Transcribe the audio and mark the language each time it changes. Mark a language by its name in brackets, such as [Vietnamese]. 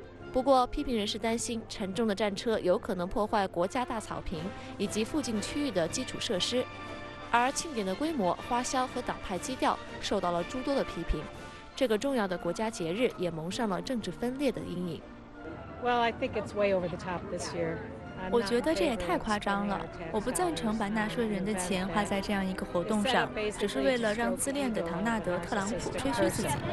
[Chinese] 不过，批评人士担心沉重的战车有可能破坏国家大草坪以及附近区域的基础设施，而庆典的规模、花销和党派基调受到了诸多的批评。这个重要的国家节日也蒙上了政治分裂的阴影。 [English] Well, I think it's way over the top this year. [Chinese] 我觉得这也太夸张了，我不赞成把纳税人的钱花在这样一个活动上，只是为了让自恋的唐纳德·特朗普吹嘘自己。